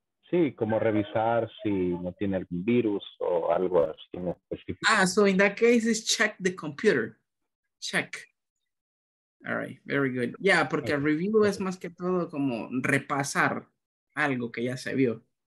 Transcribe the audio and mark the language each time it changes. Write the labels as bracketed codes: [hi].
[es] Sí, como revisar si no tiene algún virus o algo así en específico. [en] Ah, so in that case is check the computer. Check. All right, very good. Yeah, porque okay. [es] Review es más que todo como repasar algo que ya se vio.